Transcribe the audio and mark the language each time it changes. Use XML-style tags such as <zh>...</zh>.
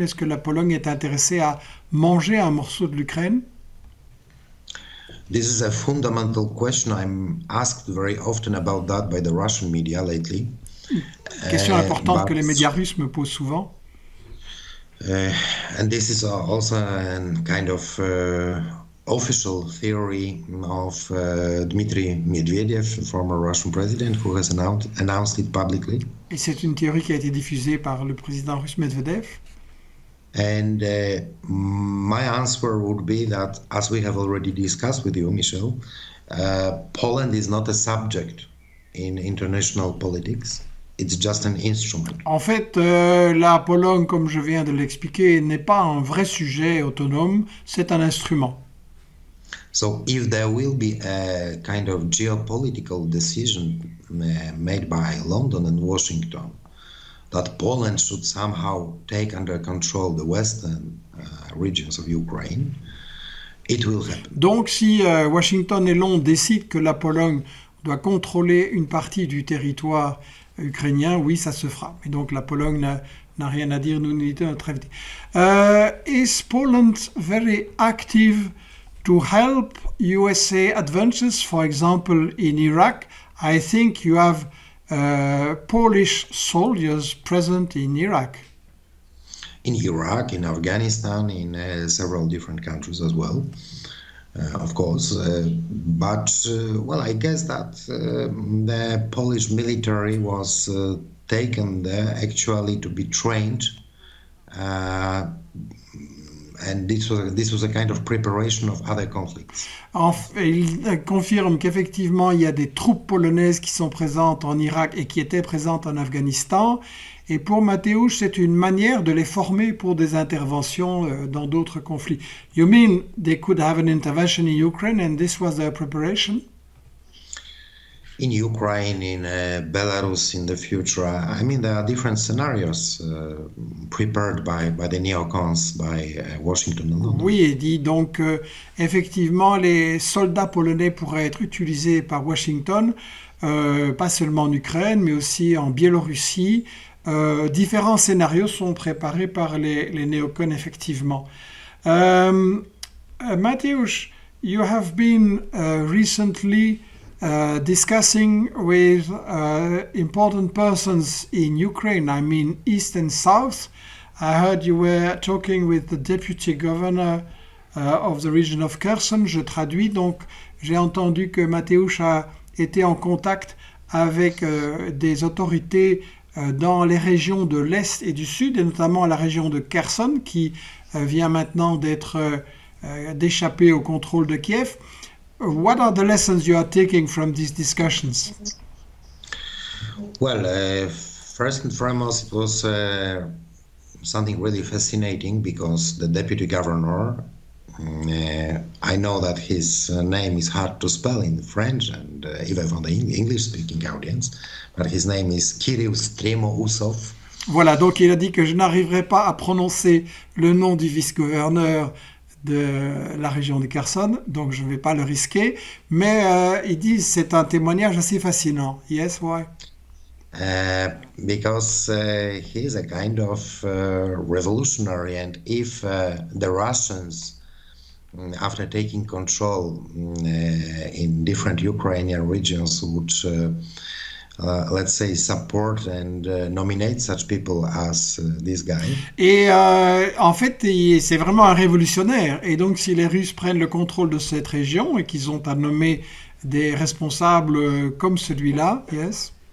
<fr>Est-ce que la Pologne est intéressée à manger un morceau de l'Ukraine?</fr> <en>This is a fundamental question. I'm asked very often about that by the Russian media lately.</en> <fr>Question importante que les médias russes me posent souvent.</fr> <en>And this is also a kind of official theory of Dmitry Medvedev, former Russian president, who has announced it publicly.</en> <fr>Et c'est une théorie qui a été diffusée par le président russe Medvedev.</fr> <en>And my answer would be that, as we have already discussed with you, Michel, Poland is not a subject in international politics. It's just an instrument.</en> <fr>En fait, la Pologne, comme je viens de l'expliquer, n'est pas un vrai sujet autonome. C'est un instrument.</fr> <en>So if there will be a kind of geopolitical decision made by London and Washington, that Poland should somehow take under control the western regions of Ukraine, it will happen.</en> <fr>Donc si Washington et Londres décident que la Pologne doit contrôler une partie du territoire ukrainien, oui, ça se fera. Et donc la Pologne n'a rien à dire, nous n'y sommes très vite.</fr> <en>Is Poland very active to help USA adventures, for example, in Iraq? I think you have Polish soldiers present in Iraq. In Iraq, in Afghanistan, in several different countries as well, of course. But, well, I guess that the Polish military was taken there actually to be trained. And this was a kind of preparation of other conflicts.</en> <fr>Il confirme qu'effectivement, il y a des troupes polonaises qui sont présentes en Irak et qui étaient présentes en Afghanistan. Et pour Mateusz, c'est une manière de les former pour des interventions dans d'autres conflits.</fr> <en>You mean they could have an intervention in Ukraine and this was their preparation? In Ukraine, in Belarus, in the future, I mean, there are different scenarios prepared by the neocons, by Washington and London.</en> <fr>Oui, il dit donc effectivement, les soldats polonais pourraient être utilisés par Washington, pas seulement en Ukraine, mais aussi en Biélorussie. Différents scénarios sont préparés par les néocons, effectivement.</fr> <en>Mateusz, you have been recently discussing with important persons in Ukraine, I mean East and South. I heard you were talking with the deputy governor of the region of Kherson.</en> <fr>Je traduis, donc j'ai entendu que Mateusz a été en contact avec des autorités dans les régions de l'Est et du Sud, et notamment la région de Kherson, qui vient maintenant d'échapper au contrôle de Kiev.</fr> <en>What are the lessons you are taking from these discussions? Well, first and foremost, it was something really fascinating because the deputy governor, I know that his name is hard to spell in French and even for the English speaking audience, but his name is Kirill Stremousov.</en> <fr>Voilà, donc il a dit que je n'arriverai pas à prononcer le nom du vice-gouverneur de la région de Kherson, donc je ne vais pas le risquer, mais ils disent que c'est un témoignage assez fascinant.</fr> <en>Yes, why? Because he is a kind of revolutionary, and if the Russians, after taking control in different Ukrainian regions, would let's say support and nominate such people as this guy.</en> <fr>Et en fait, c'est vraiment un révolutionnaire. Et donc, si les Russes prennent le contrôle de cette région et qu'ils ont à nommer des responsables comme celui-là,</fr> <en>yes.</en>